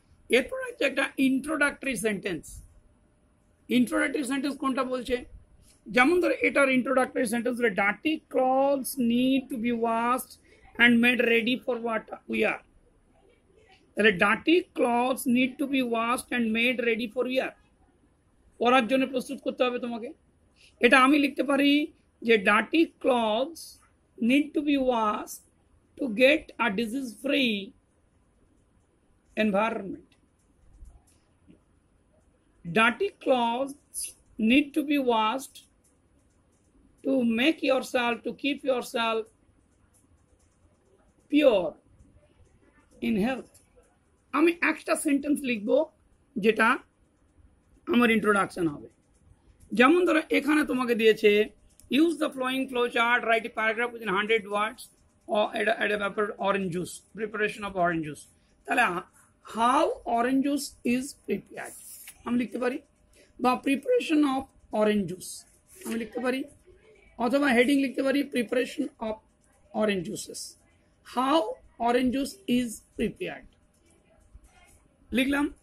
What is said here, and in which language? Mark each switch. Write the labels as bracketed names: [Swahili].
[Bangla] এরপর হচ্ছে একটা ইন্ট্রোডাক্টরি সেন্টেন্স। ইন্ট্রোডাক্টরি সেন্টেন্স কোনটা বলছে, যেমন ধরো এটার ইন্ট্রোডাক্টরি সেন্টেন্স বলে [English] dirty clothes need to be washed and made ready for what wear, [Bangla] তাহলে [English] dirty clothes need to be washed and made ready for wear, [Bangla] পরার জন্য প্রস্তুত করতে হবে তোমাকে। এটা আমি লিখতে পারি যে [English] Dirty clothes need to be washed to get a disease free environment. Dirty clothes need to be washed to make yourself, to keep yourself pure in health. [Bangla] আমি একটা সেন্টেন্স লিখব যেটা আমার ইন্ট্রোডাকশন হবে। যেমন ধরো এখানে তোমাকে দিয়েছে [English] use the flowing flow chart, write a paragraph within 100 words add a paper orange juice, [Bangla] preparation of orange juice, তাহলে [English] how orange juice is prepared [Bangla] আমি লিখতে পারি, বা প্রিপারেশন অফ অরেঞ্জ জুস আমি লিখতে পারি, অথবা হেডিং লিখতে পারি preparation of orange juices, how orange juice is prepared লিখলাম।